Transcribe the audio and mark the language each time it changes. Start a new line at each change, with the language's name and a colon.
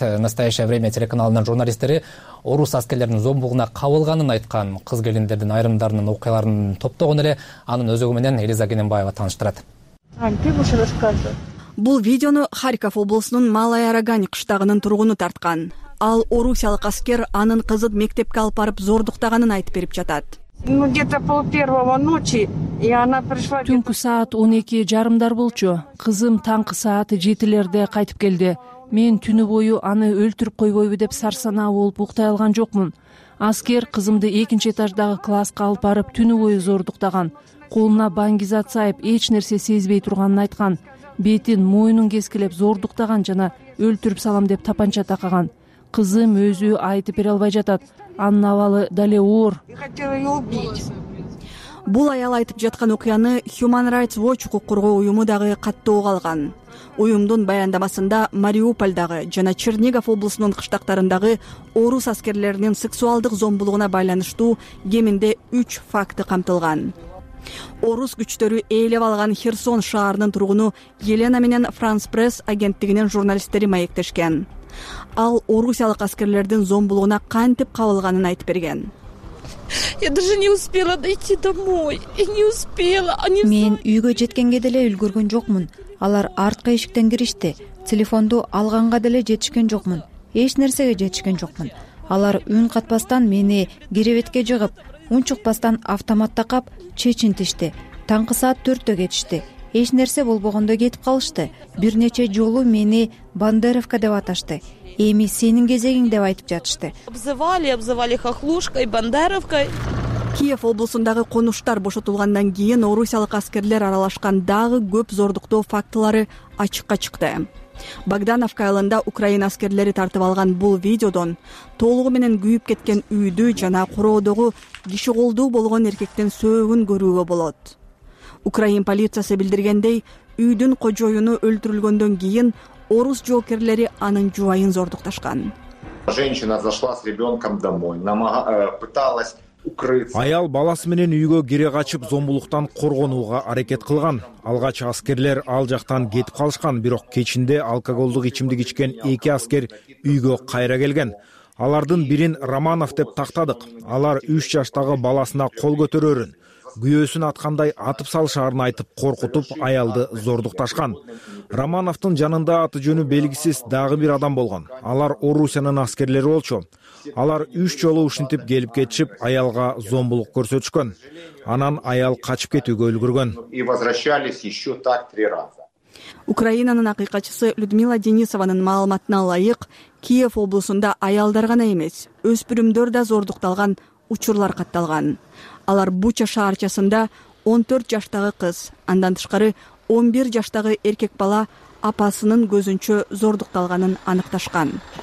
Kyrgyz: Настоящее время телеканалынын журналисттери орус аскерлеринин зомбулугуна кабылганын айткан кыз келиндердин айрымдарынын окуяларын топтогон эле анын өзөгү менен Элиза Кененбаева тааныштырат. Бул видеону Харьков облусунун Малая Арагань кыштагынын тургуну тарткан. Ал орусиялык аскер анын кызын мектепке алып барып зордуктаганын айтып берип жатат.
Russian: Где-то пол первого ночи, и она пришла.
Kyrgyz: Түнкү саат 12:30 болчу. Кызым таңкы саат 7:00 кайтып келди. Мен түнү бою аны өлтүрүп койбойбу деп сарсана болуп уктай алган жокмун. Аскер кызымды 2-этаждагы класска алып барып түнү бою зордуктаган. Колуна бангизат сайып, эч нерсе сезбей турганын айткан. Бетин мойнун кескилеп зордуктаган жана өлтүрүп салам деп тапанча такаган. Кызым өзү айтып бере албай жатат. Анын абалы дале оор. Бул аял айтып жаткан окуяны Human Rights Watch укук коргоо уюму дагы каттоого алган. Уюмдун баяндамасында Мариупольдагы жана Чернигов облусунун кыштактарындагы орус аскерлеринин сексуалдык зомбулугуна байланыштуу кеминде 3 факты камтылган. Орус күчтөрү ээлеп алган Херсон шаарынын тургуну Елена менен France Press агенттигинин журналисттери маектешкен. Ал орусиялык аскерлердин зомбулугуна кантип кабылганын айтып берген.
Russian: Я даже не успела дойти домой. Я не успела.
Kyrgyz: Мен үйгө жеткенге деле үлгүргөн жокмун. Алар арткы эшиктен киришти. Телефонду алганга деле жетишкен жокмун. Эч нерсеге жетишкен жокмун. Алар үн катпастан мени керебетке жыгып, унчукпастан автоматта кап чечинтишти. Таңкы саат 4:00 кетишти. Эч нерсе болбогондо кетип калышты. Бир нече жолу мени Бандеровка деп аташты. Эми сенин кезегиң деп айтып жатышты.
Russian: Обзывали хохлушкой, Бандеровкой.
Kyrgyz: Киев облусундагы конуштар бошотулгандан кийин орусиялык аскерлер аралашкан дагы көп зордуктоо фактылары ачыкка чыкты. Богдановка айылында Украина аскерлери тартып алган бул видеодон толугу менен күйүп кеткен үйдү жана куроодогу киши колдуу болгон эркектин сөөгүн көрүүгө болот. Украин полициясы билдиргендей, үйдүн кожоюну өлтүрүлгөндөн кийин орус жоокерлери анын жубайын зордукташкан.
Russian: Женщина зашла с ребенком домой, пыталась укрыться.
Kyrgyz: Аял баласы менен үйгө кире качып зомбулуктан коргонууга аракет кылган. Алгач аскерлер ал жактан кетип калышкан, бирок кечинде алкоголдук ичимдик ичкен 2 аскер үйгө кайра келген. Алардын бирин Романов деп тактадык. Алар 3 жаштагы баласына кол көтөрөрүн, күйөөсүн аткандай атып салышаарын айтып коркутуп аялды зордукташкан. Романовтун жанында аты жөнү белгисиз дагы бир адам болгон. Алар Орусиянын аскерлери болчу. Алар 3 жолу ушинтип келип кетишип аялга зомбулук көрсөтүшкөн. Анан аял качып кетүүгө үлгүргөн.
Russian: И возвращались еще так 3 раза.
Kyrgyz: Украинанын акыйкатчысы Людмила Денисованын маалыматына ылайык, Киев облусунда аялдар гана эмес, өспүрүмдөр да зордукталган учурлар катталган. Алар Буча шаарчасында 14 жаштагы кыз, андан тышкары 11 жаштагы эркек бала апасынын көзүнчө зордукталганын аныкташкан.